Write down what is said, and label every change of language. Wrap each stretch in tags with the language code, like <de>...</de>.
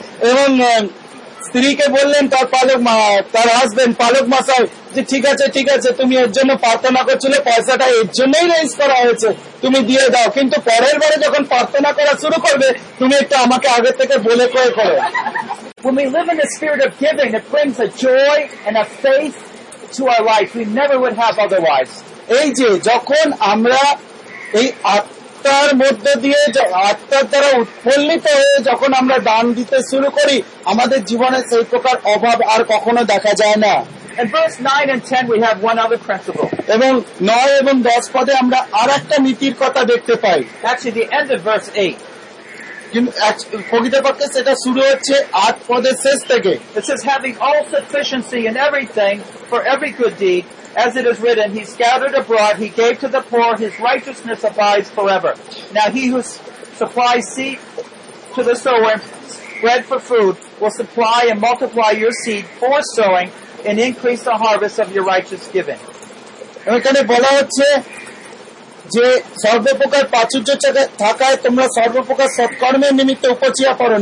<bn>এবং স্ত্রীকে বললেন তার পালক তার হাজবেন্ড পালক মাসাই যে ঠিক আছে, তুমি এর জন্য প্রার্থনা করছিলে, পয়সাটা এর জন্যই রেজ করা হয়েছে, তুমি দিয়ে দাও, কিন্তু পরের বারে যখন প্রার্থনা করা শুরু করবে তুমি একটু আমাকে আগে থেকে বলে কয়ে করো.</bn> <en>When we live in the spirit of giving, it brings a joy and a faith to our life we never would have otherwise.</en> <bn>এই যে যখন আমরা এই আত্মার মধ্যে দিয়ে আত্মার দ্বারা উৎফুল্লিত হয়ে যখন আমরা দান দিতে শুরু করি আমাদের জীবনে সেই প্রকার অভাব আর কখনো দেখা যায় না.</bn> <en>In verse 9 and 10 we have one other principle.</en> <bn>এবং 9 এবং 10 পদে আমরা আরেকটা নীতির কথা দেখতে পাই.</bn> <en>That's the end of verse 8.</en> <bn>প্রকৃতির পক্ষে সেটা শুরু হচ্ছে 8 পদের শেষ থেকে.</bn> <en>It says, having all sufficiency in everything for every good deed, as it is written, he scattered abroad, he gave to the poor, his righteousness abides forever. Now he who supplies seed to the sower, bread for food, will supply and multiply your seed for sowing, and increase the harvest of your righteous giving.</en> <bn>এখানে বলা হচ্ছে যে সর্বপ্রকার প্রাচুর্য থাকায় তোমরা সর্বপ্রকার সৎকর্মের নিমিত্ত উপচিয়া পড়ো.</bn>